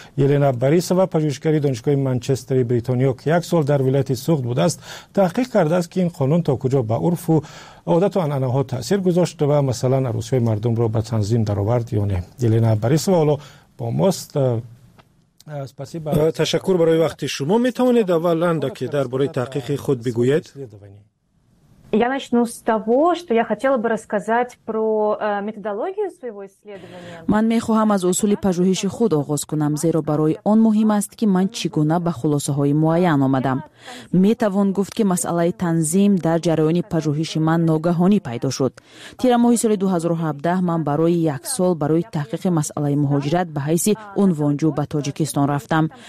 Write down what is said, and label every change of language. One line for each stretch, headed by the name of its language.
Persian: یلنا بریسوا پژوهشگر دانشگاه منچستر بریتانیا که یک سال در ولایت سوخت بوده است، تحقیق کرده است که این قانون تا کجا به عرف و عادت و انانه ها تاثیر گذاشته و مثلا عروسی های مردم را به تنظیم درآورد یا نه. یلنا بریسوا با ماست. تشکر برای وقت شما. می توانید اولا که درباره تحقیق خود بگویید؟
Ukrainian: Я начну з того, що я хотіла би розказати про методологію своєго дослідження.
Tajik: Ман мехоҳам аз усули пажуҳиши худ оғоз кунам, зеро барои он муҳим аст ки ман чӣ гуна ба хулосаҳои муайян омадам. Метавон гуфт ки масъалаи танзим дар ҷараёни пажуҳиши ман ногаҳонӣ пайдо шуд. Тира моҳи соли 2017 ман барои як сол барои таҳқиқи масъалаи муҳоҷират ба ҳайси унвонҷӯ ба Тоҷикистон рафтам.